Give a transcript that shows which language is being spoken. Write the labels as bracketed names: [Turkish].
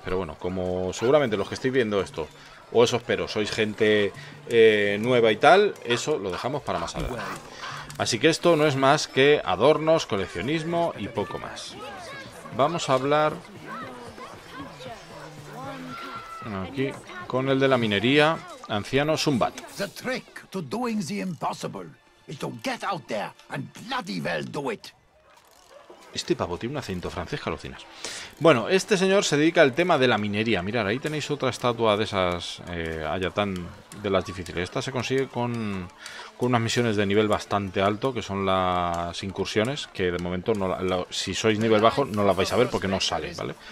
[Spanish] Pero bueno, como seguramente los que estáis viendo esto, o eso espero, sois gente nueva y tal, eso lo dejamos para más adelante. Así que esto no es más que adornos, coleccionismo y poco más. Vamos a hablar Aquí, con el de la minería, anciano Sumbat. [English] The trick to doing the impossible is to get out there and bloody well do it. [Spanish] Este pavo tiene un acento francés que alucinas. Bueno, este señor se dedica al tema de la minería. Mirad, ahí tenéis otra estatua de esas Ayatán de las difíciles. Esta se consigue con unas misiones de nivel bastante alto, que son las incursiones, que de momento, no la, si sois nivel bajo, no las vais a ver porque no salen, ¿vale?